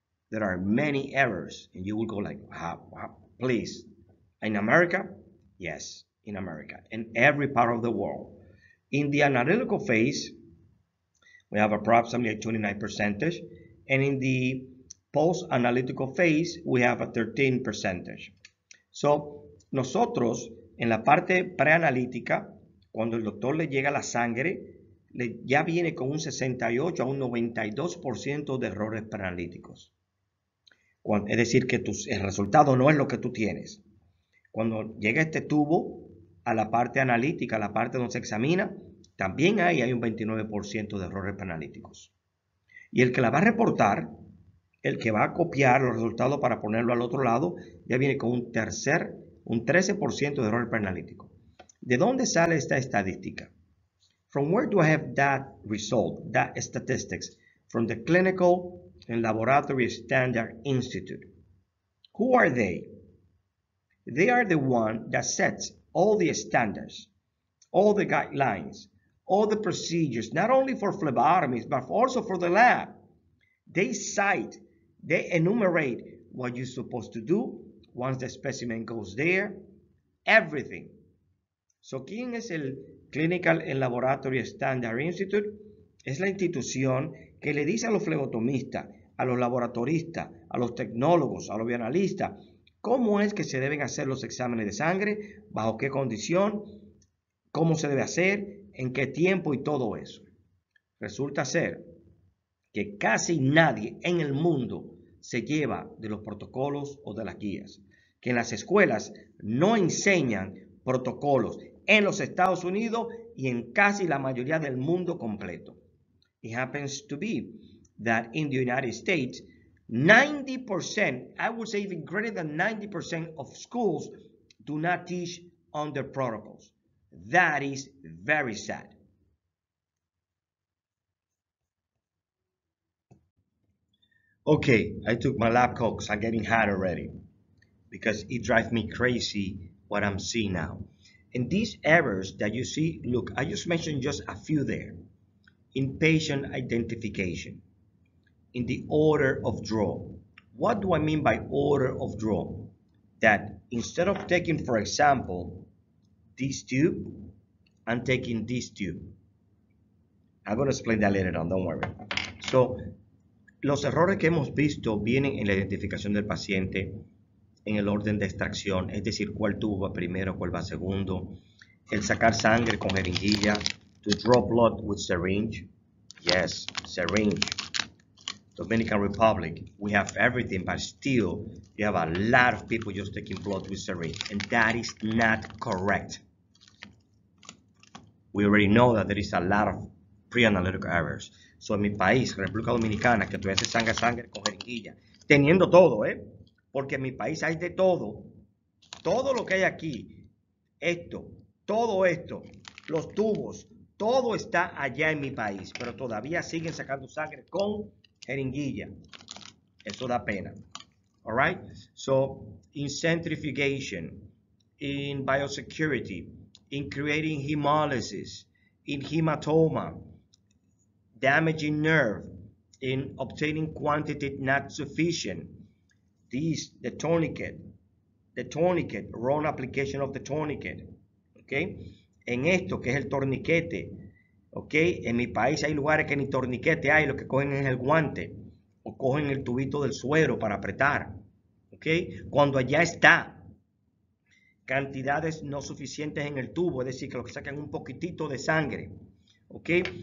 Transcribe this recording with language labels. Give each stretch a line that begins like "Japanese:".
English: There are many errors, and you will go like, please. In America? Yes, in America, in every part of the world. In the analytical phase, we have approximately a 29%. And in the post-analytical phase, we have a 13%.
Spanish: So, nosotros, en la parte preanalítica, cuando el doctor le llega la sangre, ya viene con un 68 a un 92% de errores preanalíticos. Es decir, que el resultado no es lo que tú tienes. Cuando llega este tubo a la parte analítica, a la parte donde se examina, también hay un 29% de errores preanalíticos. Y el que la va a reportar, el que va a copiar los resultados para ponerlo al otro lado, ya viene con un 13% de error preanalítico. ¿De dónde sale esta estadística?
English: From where do I have that result, that statistics? From the Clinical and Laboratory Standard Institute. Who are they? They are the one that sets all the standards, all the guidelines, all the procedures, not only for phlebotomies, but also for the lab. They cite, they enumerate what you're supposed to do once the specimen goes there, everything.
Spanish: So, ¿quién es el Clinical and Laboratory Standard Institute? Es la institución que le dice a los flebotomistas, a los laboratoristas, a los tecnólogos, a los bioanalistas, cómo es que se deben hacer los exámenes de sangre, bajo qué condición, cómo se debe hacer, en qué tiempo y todo eso. Resulta ser que casi nadie en el mundo se lleva de los protocolos o de las guías. Que en las escuelas no enseñan protocolos en los Estados Unidos y en casi la mayoría del mundo completo.
English: It happens to be that in the United States, 90%, I would say even greater than 90% of schools do not teach on their protocols. That is very sad. Okay, I took my lab coat because I'm getting hot already because it drives me crazy what I'm seeing now. And these errors that you see, look, I just mentioned just a few there. inpatient identification, in the order of draw. What do I mean by order of draw? That instead of taking, for example, this tube, I'm taking this tube. I'm gonna explain that later on, don't worry.
Spanish: So, los errores que hemos visto vienen en la identificación del paciente, en el orden de extracción, es decir, cuál tubo va primero, cuál va segundo, el sacar sangre con jeringuilla,
English: to draw blood with syringe. Yes, syringe. Dominican Republic, we have everything, but still, you have a lot of people just taking blood with syringe, and that is not correct. We already know that there is a lot of pre-analytical errors.
Spanish: So en mi país, República Dominicana, que tuviese sangre con jeringuilla, teniendo todo, ¿eh? Porque en mi país hay de todo. Todo lo que hay aquí, esto, todo esto, los tubos, todo está allá en mi país, pero todavía siguen sacando sangre con jeringuilla. Eso da pena.
English: All right? So, in centrifugation, in biosecurity, in creating hemolysis, in hematoma, damaging nerve, in obtaining quantity not sufficient, these, the tourniquet, wrong application of the tourniquet, okay?
Spanish: En esto, que es el torniquete, okay? En mi país hay lugares que ni torniquete hay, lo que cogen es el guante, o cogen el tubito del suero para apretar, okay? Cuando allá está, cantidades no suficientes en el tubo, es decir, que lo que sacan un poquitito de sangre, okay?